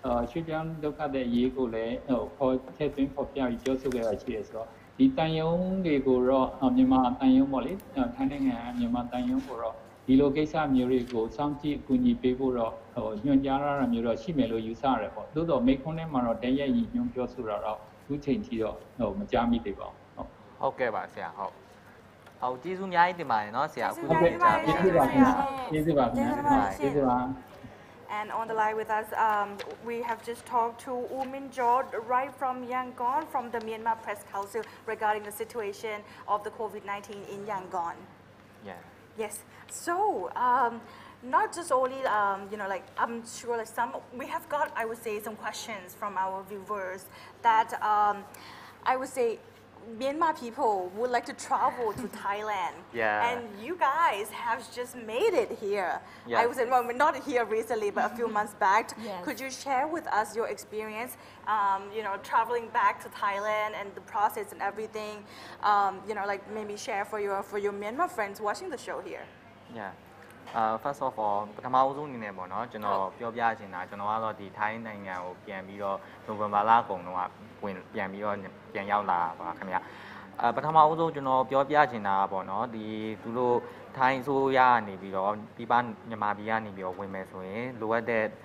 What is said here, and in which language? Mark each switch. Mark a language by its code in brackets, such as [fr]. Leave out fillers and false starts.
[my] ချွေးပြောင်းဒုက္ခသည်ရေးကိုလည်းဟိုခေါ်ချက်သွင်းဖို့ပြောင်းပြီးပြောဆိုခဲ့တာရှိတယ်ဆိုတော့ဒီတန်ယုံတွေကိုတော့မြန်မာတန်ယုံပေါ့လေထိုင်းနိုင်ငံမြန်မာတန်ယုံကိုတော့ဒီလိုကိစ္စမျိုးတွေကိုစောင့်ကြည့်အကူအညီပေးဖို့တော့ဟိုညွှန်ကြားရတာမျိုးတော့ရှိမယ်လို့ယူဆရတယ်ပေါ့သို့တော့မိခွန်းထဲမှာတော့တရားရည်ညွှန်းပြောဆိုတာတော့အခုချိန်ထိတော့ဟိုမကြားမိသေးပါဘူး ဟုတ်ကဲ့ပါဆရာဟုတ်ဟုတ်ကျေးဇူးအများကြီးတင်ပါတယ်เนาะဆရာ အခုကျေးဇူးပါခင်ဗျာကျေးဇူးပါခင်ဗျာကျေးဇူးပါ [en] And on the line with us we have just talked to U Min Jod right from Yangon from the Myanmar Press Council regarding the situation of the COVID-19 in Yangon Yeah Yes so not just only you know like I'm sure like some we have got I would say some questions from our viewers that I would say Myanmar people would like to travel to Thailand. Yeah. And you guys have just made it here. Yeah. I was in, well, not here recently, but a few months back. Yes. Could you share with us your experience, you know, traveling back to Thailand and the process and everything, you know, like maybe share for your Myanmar friends watching the show here. Yeah. First of all, [my] ပထမဆုံးအနေနဲ့ပေါ့နော်ကျွန်တော်ပြောပြချင်တာကျွန်တော်ကတော့ဒီထိုင်းနိုင်ငံကိုပြန်ပြီးတော့နိုဝင်ဘာလကုန်လုံးကဝင်ပြန်ပြီးတော့ပြန်ရောက်လာပါခင်ဗျာအပထမအဦးဆုံးကျွန်တော်ပြောပြချင်တာပေါ့နော်ဒီသူတို့ထိုင်းဆိုရနေပြီးတော့ပြည်ပမြန်မာပြည်ကနေပြီးတော့ဝင်မယ်ဆိုရင်လိုအပ်တဲ့